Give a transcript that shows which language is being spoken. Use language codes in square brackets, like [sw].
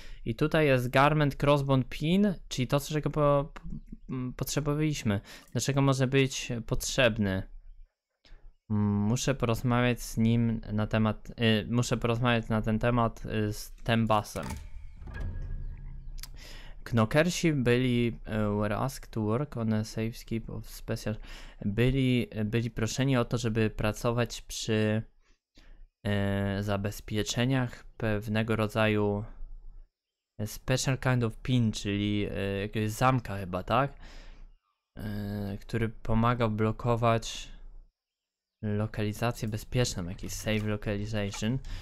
[pl] I tutaj jest Garment Crossbone Pin, czyli to, czego potrzebowaliśmy. Dlaczego może być potrzebny? Muszę porozmawiać z nim na temat... muszę porozmawiać na ten temat z Tembasem. Knockersi byli... [en] were asked to work on a safescape of special... [pl] Byli proszeni o to, żeby pracować przy... zabezpieczeniach pewnego rodzaju... [en] special kind of pin, [pl] czyli jakiegoś zamka chyba, tak? Który pomaga blokować... lokalizację bezpieczną, jakiś safe localization.